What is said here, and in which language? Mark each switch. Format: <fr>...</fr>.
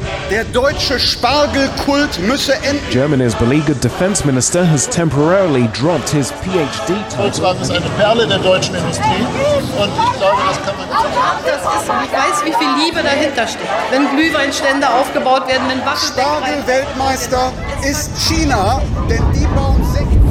<de>Der deutsche Spargelkult müsse enden.</de> <en>Germany's beleaguered defense minister has temporarily dropped his PhD title.</en> <de>Volkswagen ist eine Perle der deutschen Industrie. Und ich glaube, das kann man nicht. Ich weiß, wie viel Liebe dahinter steckt. Wenn Glühweinstände aufgebaut werden, wenn Waffen. Spargel-Weltmeister ist China, denn die bauen sich.</de>